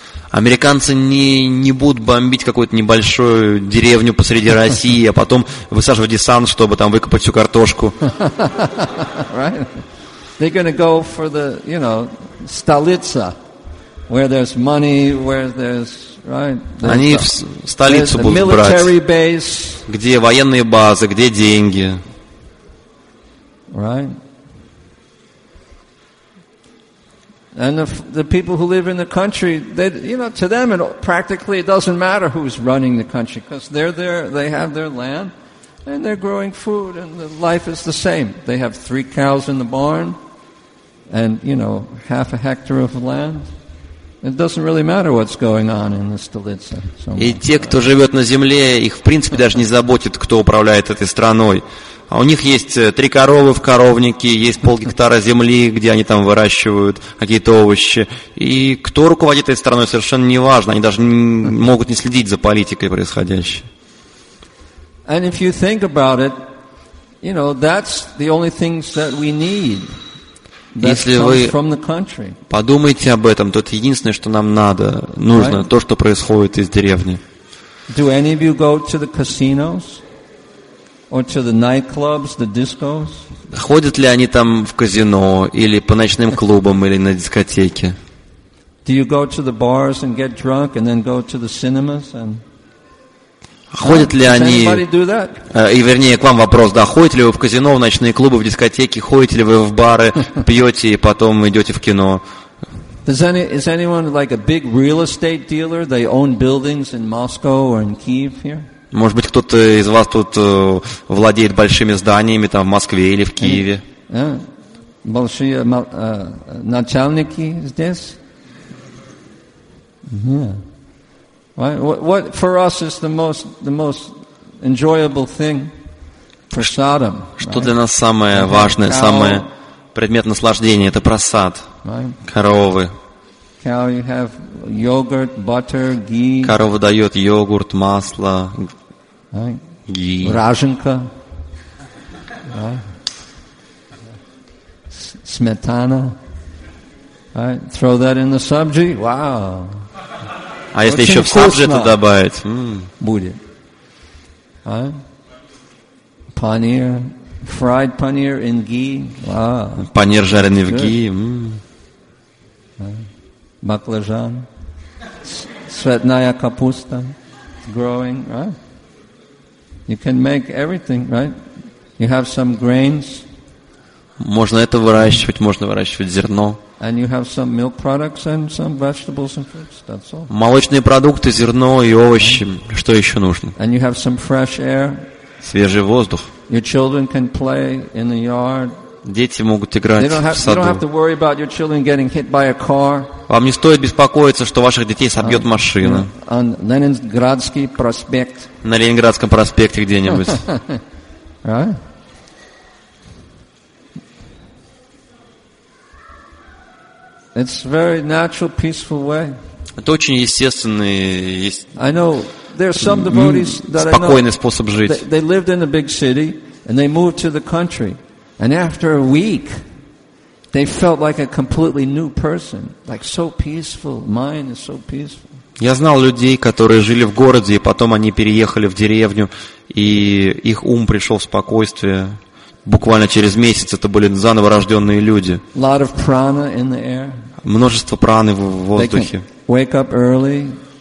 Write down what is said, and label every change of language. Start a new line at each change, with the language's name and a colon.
Russian: Американцы не будут бомбить какую-то небольшую деревню посреди России, а потом высаживать десант, чтобы там выкопать всю картошку.
English: Right? They're going to go for the, you know, столица, where there's money, where there's, right? There's,
Russian: они в столицу будут брать.
English: There's the military base.
Russian: Где военные базы, где деньги.
English: Right? And the people who live in the country, they, you know, to them, it practically it doesn't matter who's running the country, because they're there, they have their land, and they're growing food, and the life is the same. They have 3 cows in the barn, and, you know, half a hectare of land. It doesn't really matter what's going on in the stolitsa.
Russian: И те, кто живет на земле, их в принципе даже не заботит, кто управляет этой страной. А у них есть 3 коровы в коровнике, есть 0.5 гектара земли, где они там выращивают какие-то овощи. И кто руководит этой страной, совершенно не важно. Они даже могут не следить за политикой происходящей.
English: And if you think about it, you know, that's the only things that we need.
Russian: Если вы подумаете об этом, то это единственное, что нам надо, нужно, то, что происходит из деревни.
English: Do any of you go to the casinos? Or to the nightclubs, the discos?
Russian: Ходят ли они там в казино или по ночным клубам или на дискотеке?
English: Do you go to the bars and get drunk and then go to the cinemas and?
Russian: Ходят ли они? И вернее к вам вопрос: да, ходите ли вы в казино, в ночные клубы, в дискотеки? Ходите ли вы в бары, пьете и потом идете в кино?
English: Is anyone like a big real estate dealer? They own buildings in Moscow or in Kyiv here?
Russian: Может быть, кто-то из вас тут владеет большими зданиями там в Москве или в Киеве? Большие начальники здесь?
English: Yeah. Right. What for us is the most enjoyable thing for prasadam?
Russian: Что для нас самое важное, самое предмет наслаждения? Это прасад. Коровы.
English: Cow, you have yogurt, butter, ghee.
Russian: Корова дает йогурт, масло. Раженка, сметана,
English: throw that in the sabji. Wow.
Russian: А если еще в сабжи это добавить? Будет.
English: Панир, fried panir in ghee. Wow.
Russian: Панир жареный в ги. Баклажан, цветная капуста,
English: growing, right? You can make everything, right? You have some grains.
Russian: Можно это выращивать, можно выращивать зерно.
English: And you have some milk products and some vegetables and fruits. That's all.
Russian: Молочные продукты, зерно и овощи. Что еще нужно?
English: And you have some fresh air.
Russian: Свежий воздух.
English: Your children can play in the yard.
Russian: Дети могут играть в саду.
English: You don't have to worry about your children getting hit by a car.
Russian: Вам не стоит беспокоиться, что ваших детей собьет машина.
English: On Ленинградский проспект.
Russian: На Ленинградском проспекте где-нибудь.
English: Right? It's very natural, peaceful way.
Russian: Это очень естественный,
English: I know there are some devotees that I know. They lived in a big city and they moved to the country. And after a week, they felt like a completely new person, like so peaceful. Mind is so peaceful.
Russian: Я знал людей, которые жили в городе, и потом они переехали в деревню, и их ум пришел в спокойствие. Буквально через месяц это были заново рожденные люди.
English: Lot of prana in the air.
Russian: Множество праны в воздухе.
English: Wake up early.